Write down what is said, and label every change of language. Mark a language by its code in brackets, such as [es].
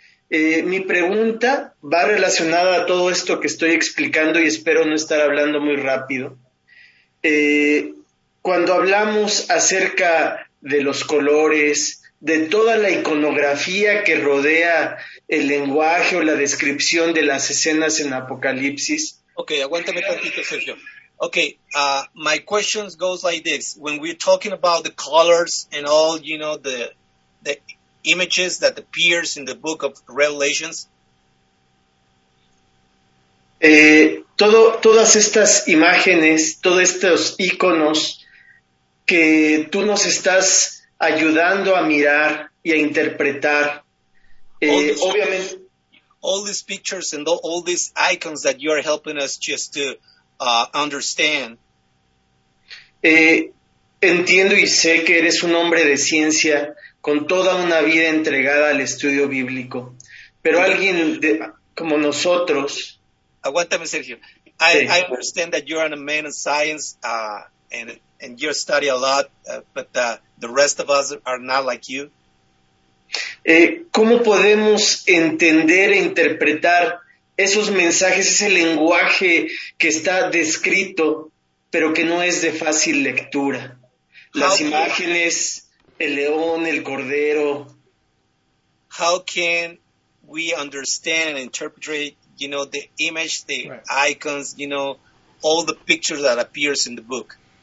[es] Mi pregunta va relacionada a todo esto que estoy explicando y espero no estar hablando muy rápido. Cuando hablamos acerca de los colores, de toda la iconografía que rodea el lenguaje o la descripción de las escenas en Apocalipsis. Okay, aguántame tantito, Sergio. [en] Okay, my question goes like this. When we're talking about the colors and all, you know, the images that appears in the book of Revelations, [es] Todas estas imágenes, todos estos iconos que tú nos estás ayudando a mirar y a interpretar, obviamente. [en] All these pictures and all these icons that you are helping us just to understand. [es] Entiendo y sé que eres un hombre de ciencia con toda una vida entregada al estudio bíblico, pero alguien de, como nosotros. Aguántame, Sergio. [en] I understand that you're a man of science and you study a lot, but the rest of us are not like you. [es] ¿Cómo podemos entender e interpretar esos mensajes, ese lenguaje que está descrito, pero que no es de fácil lectura? Las imágenes, el león, el cordero. [en] How can we understand and interpret, you know, the image, the right. icons, you know, all the pictures that appears in the book?